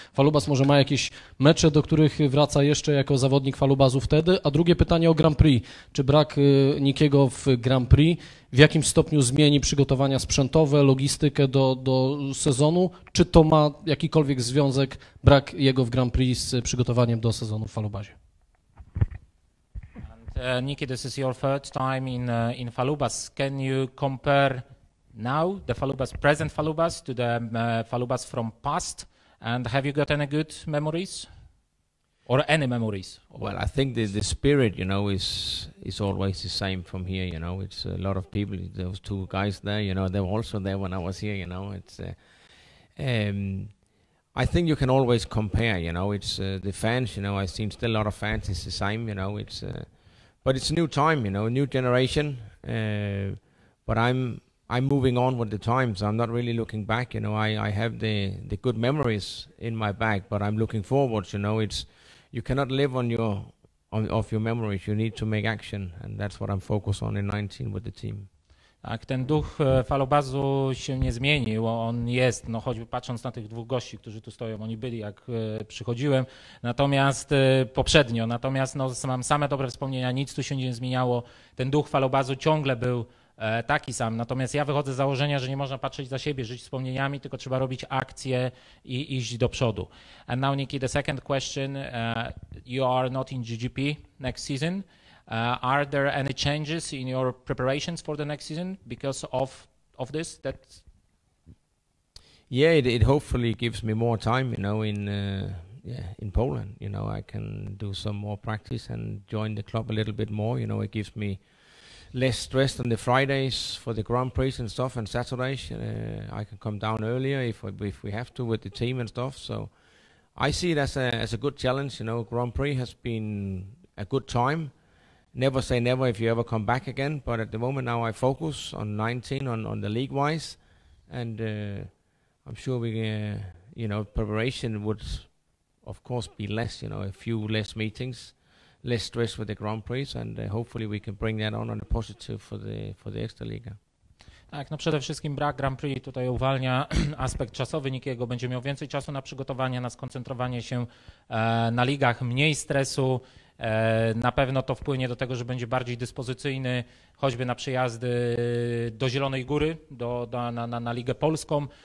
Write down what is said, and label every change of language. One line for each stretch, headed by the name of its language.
Polish: Falubas może ma jakieś mecze, do których wraca jeszcze jako zawodnik Falubazu wtedy. A drugie pytanie o Grand Prix. Czy brak Nikiego w Grand Prix w jakim stopniu zmieni przygotowania sprzętowe, logistykę do sezonu? Czy to ma jakikolwiek związek, brak jego w Grand Prix z przygotowaniem do sezonu w Falubazie?
English: Niki, this is your third time in Falubas. Can you compare now the Falubas, present Falubas, to the Falubas from past? And have you got any good memories or any memories? Well, I think the spirit, you know, is always the same from here, you know. It's a lot of people, those two guys there, you know, they were also there when I was here, you know. It's I think you can always compare, you know. It's the fans, you know, I've seen still a lot of fans, it's the same, you know. It's but it's a new time, you know, a new generation. But I'm moving on with the times. I'm not really looking back, you know. I have the good memories in my back, but I'm looking forward, you know. It's you cannot live on your off your memories. You need to make action, and that's what I'm focused on in 19 with the team.
Polish: Tak, ten duch Falubazu się nie zmienił, on jest, no choćby patrząc na tych dwóch gości, którzy tu stoją, oni byli jak przychodziłem, natomiast poprzednio, natomiast no, mam same dobre wspomnienia, nic tu się nie zmieniało, ten duch Falubazu ciągle był taki sam, natomiast ja wychodzę z założenia, że nie można patrzeć za siebie, żyć wspomnieniami, tylko trzeba robić akcje i iść do przodu.
English: And now, Nikki, the second question, you are not in GGP next season. Are there any changes in your preparations for the next season because of this? It hopefully gives me more time, you know, in Poland, you know, I can do some more practice and join the club a little bit more, you know. It gives me less stress on the Fridays for the Grand Prix and stuff, and Saturdays I can come down earlier if we have to with the team and stuff. So I see it as a good challenge, you know. Grand Prix has been a good time. Never say never if you ever come back again, but at the moment now I focus on 19 on the league wise, and I'm sure we you know, preparation would of course be less, you know, a few less meetings, less stress with the Grand Prix, and hopefully we can bring that on a positive for the Ekstraliga.
Polish: Tak, no przede wszystkim brak Grand Prix tutaj uwalnia aspekt czasowy Nikiego. Będzie miał więcej czasu na przygotowanie, na skoncentrowanie się na ligach, mniej stresu. Na pewno to wpłynie do tego, że będzie bardziej dyspozycyjny, choćby na przejazdy do Zielonej Góry, na Ligę Polską.